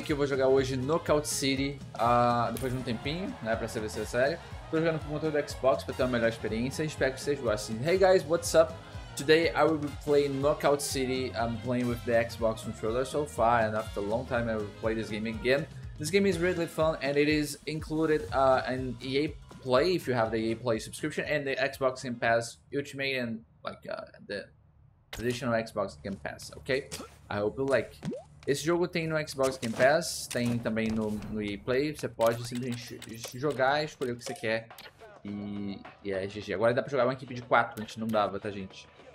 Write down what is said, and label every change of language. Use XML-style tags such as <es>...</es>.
<pt>Aqui eu vou jogar hoje Knockout City, depois de um tempinho, né, pra saber se é sério. Tô jogando com o controle do Xbox pra ter uma melhor experiência, espero que vocês gostem.</pt> <en>Hey guys, what's up? Today I will be playing Knockout City. I'm playing with the Xbox controller so far, and after a long time I will play this game again. This game is really fun and it is included in EA Play, if you have the EA Play subscription, and the Xbox Game Pass Ultimate and like the traditional Xbox Game Pass, ok? I hope you like.</en> <pt>Esse jogo tem no Xbox Game Pass, tem também no EA Play, você pode simplesmente jogar, escolher o que você quer e é GG. Agora dá pra jogar uma equipe de 4, a gente não dava, tá gente?</pt>